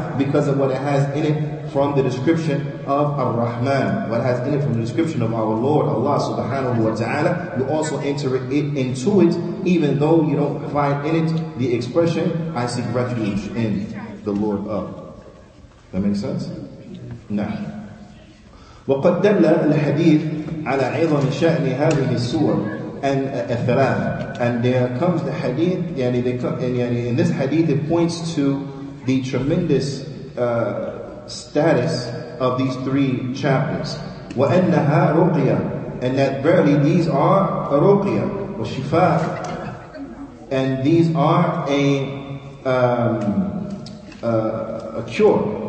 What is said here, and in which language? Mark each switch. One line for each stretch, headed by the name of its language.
English: Because of what it has in it from the description of Ar-Rahman what it has in it from the description of our Lord Allah subhanahu wa ta'ala you also enter it into it even though you don't find in it the expression I seek refuge in the Lord of That makes sense?
Arabic: نعم. وقد دل الحديث على عظم شأن هذه السور and الثلاث.
English: And there comes the hadith, يعني they come, and يعني in this hadith it points to the tremendous status of these three chapters.
Arabic: وأنها رقية
English: and that verily these are
Arabic: رقية وشفاء
English: and these are a cure.